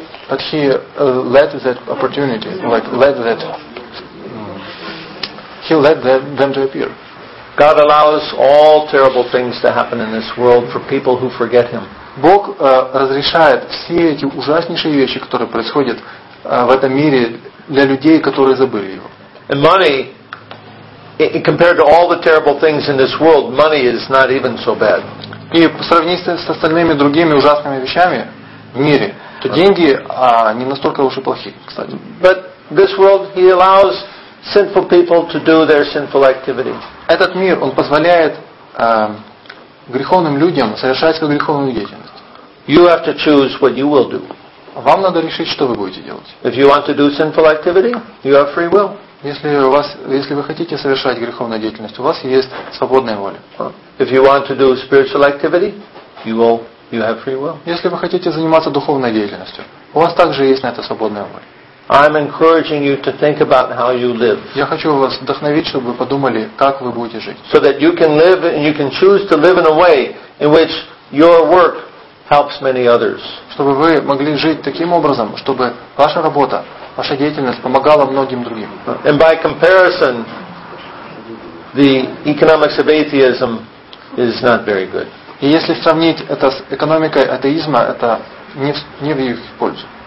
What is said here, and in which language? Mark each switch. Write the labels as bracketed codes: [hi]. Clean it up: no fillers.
[en] But he led that opportunity, like led that. He led them to appear. God allows all terrible things to happen in this world for people who forget Him. [ru] Бог разрешает все эти ужаснейшие вещи, которые происходят в этом мире для людей, которые забыли Его. [en] And money, compared to all the terrible things in this world, money is not even so bad. [ru] И сравнить с остальными другими ужасными вещами в мире, то деньги не настолько уж и плохи, кстати. [en] But this world, He allows sinful people to do their sinful activity. [ru] Этот мир, он позволяет греховным людям совершать свою греховную деятельность. [en] You have to choose what you will do. [ru] Вам надо решить, что вы будете делать. [en] If you want to do sinful activity, you have free will. [ru] Если вы хотите совершать греховную деятельность, у вас есть свободная воля. [en] If you want to do spiritual activity, you have free will. [ru] Если вы хотите заниматься духовной деятельностью, у вас также есть на это свободная воля. [en] I'm encouraging you to think about how you live. [ru] Я хочу вас вдохновить, чтобы вы подумали, как вы будете жить. [en] So that you can live and you can choose to live in a way in which your work helps many others. [ru] Чтобы вы могли жить таким образом, чтобы ваша работа, ваша деятельность помогала многим другим. [en] And by comparison, the economics of atheism is not very good. [ru] И если сравнить это с экономикой атеизма, это не в их пользу.